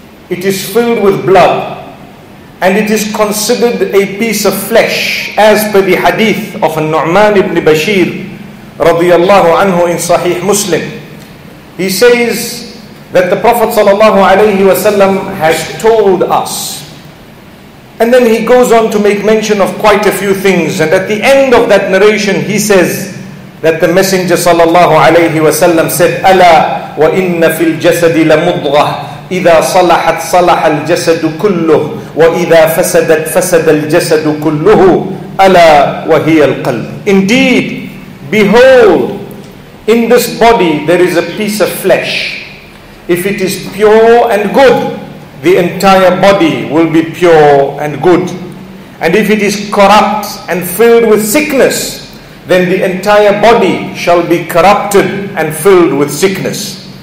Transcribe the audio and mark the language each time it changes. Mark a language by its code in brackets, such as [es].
[en] It is filled with blood. And it is considered a piece of flesh, as per the hadith of Nu'man ibn Bashir radiyallahu anhu in Sahih Muslim. He says that the Prophet sallallahu alayhi wa sallam has told us. And then he goes on to make mention of quite a few things. And at the end of that narration, he says that the Messenger sallallahu alayhi wa sallam said, [ar] أَلَا وَإِنَّ فِي الْجَسَدِ لَمُضْغَةٌ إِذَا صَلَحَتْ صَلَحَ الْجَسَدُ كُلُّهُ وَإِذَا فَسَدَتْ فَسَدَ الْجَسَدُ كُلُّهُ أَلَا وَهِيَ الْقَلْبُ. [en] Indeed, behold, in this body there is a piece of flesh. If it is pure and good, the entire body will be pure and good. And if it is corrupt and filled with sickness, then the entire body shall be corrupted and filled with sickness.